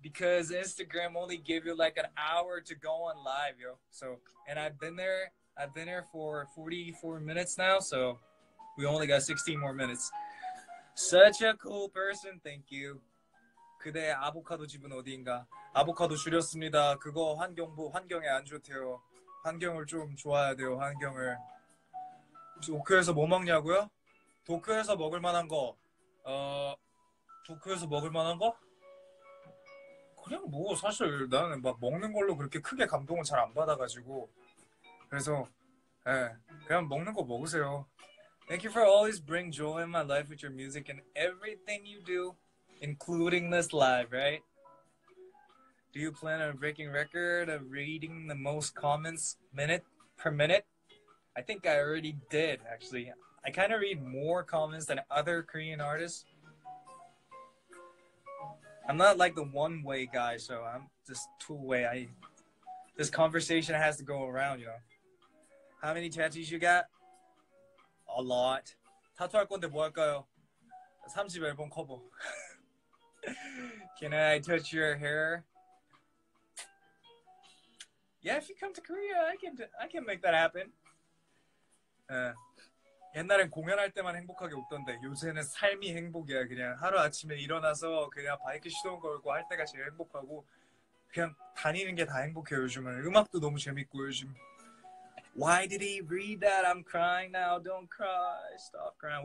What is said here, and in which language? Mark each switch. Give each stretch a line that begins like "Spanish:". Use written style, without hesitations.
English: Because Instagram only gave you like an hour to go on live, yo. So, and I've been there for 44 minutes now, so we only got 16 more minutes. Such a cool person, thank you.
Korean: 그대의 아보카도 집은 어디인가? 아보카도 줄였습니다. 그거 환경부, 환경에 안 좋대요. 환경을 좀 좋아야 돼요, 환경을. 도쿄에서 뭐 먹냐고요? 도쿄에서 먹을 만한 거. 도쿄에서 먹을 만한 거? 그냥 뭐 사실 나는 막 먹는 걸로 그렇게 크게 감동을 잘 안 받아가지고 그래서 예 그냥 먹는 거 먹으세요.
English: Thank you for always bring joy in my life with your music and everything you do, including this live, right? Do you plan on breaking record of reading the most comments minute per minute? I think I already did actually. I kind of read more comments than other Korean artists. I'm not like the one-way guy, so I'm just two-way. This conversation has to go around, you know. How many tattoos you got? A lot.
Korean: 타투 할 건데 뭐 할까요? 3집 앨범 커버.
English: Can I touch your hair? Yeah, if you come to Korea, I can make that happen.
Korean: 옛날엔 공연할 때만 행복하게 웃던데 요새는 삶이 행복이야. 그냥 하루아침에 일어나서 그냥 바이크 시동 걸고 할 때가 제일 행복하고 그냥 다니는 게 다 행복해요. 요즘은 음악도 너무 재밌고 요즘.
English: Why did he read that? I'm crying now. Don't cry. Stop crying.